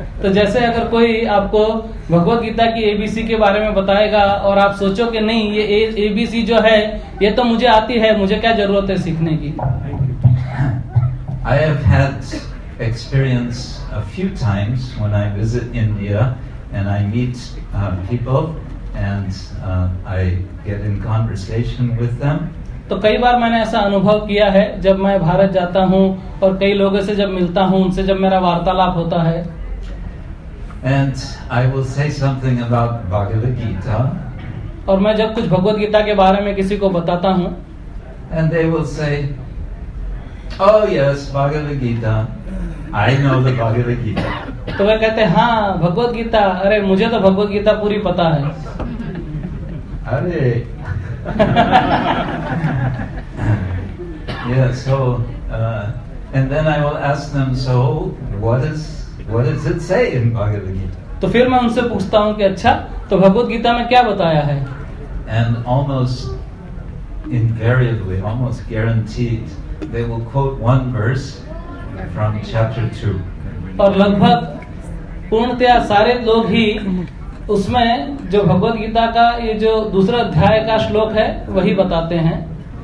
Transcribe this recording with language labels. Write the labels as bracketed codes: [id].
[hi] तो जैसे अगर कोई आपको भगवत गीता की ABC के बारे में बताएगा और आप सोचो कि नहीं, ये ABC जो है ये तो मुझे आती है, मुझे क्या जरूरत है सीखने की. [en] I have had experience a few times when I visit India and I meet people and I get in conversation with them. [hi] तो कई बार मैंने ऐसा अनुभव किया है जब मैं भारत जाता हूँ और कई लोगों से जब मिलता हूँ, उनसे जब मेरा वार्तालाप होता है. [en] And I will say something about Bhagavad Gita. [hi] और मैं जब कुछ भगवद गीता के बारे में किसी को बताता हूँ. [en] And they will say, oh yes, Bhagavad Gita. I know the Bhagavad Gita. [hi] तो वे कहते हैं, हाँ भगवद गीता, अरे मुझे तो भगवद गीता पूरी पता है. [en] अरे yeah, so and then I will ask them, so what does it say in Bhagavad Gita? [hi] तो फिर मैं उनसे पूछता हूँ कि अच्छा, तो भगवत गीता में क्या बताया है? [en] And almost invariably, almost guaranteed, they will quote one verse from chapter 2. [hi] और लगभग पूर्णतया सारे लोग ही उसमें जो भगवद गीता का ये जो दूसरा अध्याय का श्लोक है वही बताते हैं.